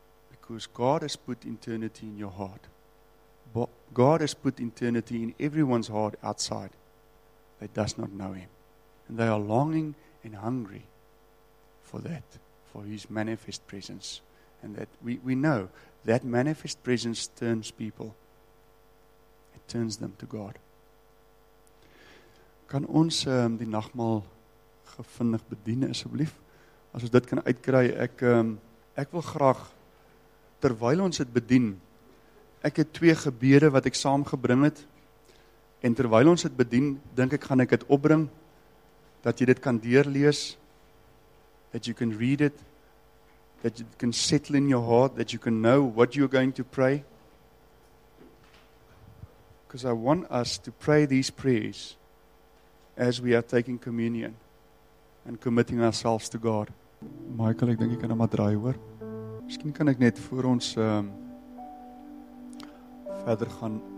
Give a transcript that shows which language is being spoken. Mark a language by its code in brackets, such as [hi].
[en] Because God has put eternity in your heart. But God has put eternity in everyone's heart outside that does not know Him. And they are longing and hungry for that, for His manifest presence. And that we know that manifest presence turns people. It turns them to God. [af] Kan ons die nagmaal gevindig bedien asseblief? As ons dit kan uitkry, ek wil graag, terwyl ons dit bedien, ek het twee gebede wat ek saamgebring het, en terwyl ons dit bedien, dink ek gaan ek dit opbring, dat jy dit kan deurlees, [en] that you can read it, that you can settle in your heart, that you can know what you're going to pray. Because I want us to pray these prayers as we are taking communion and committing ourselves to God. [af] Michael, ek dink jy kan hom maar draai hoor. Miskien kan ek net voor ons verder gaan.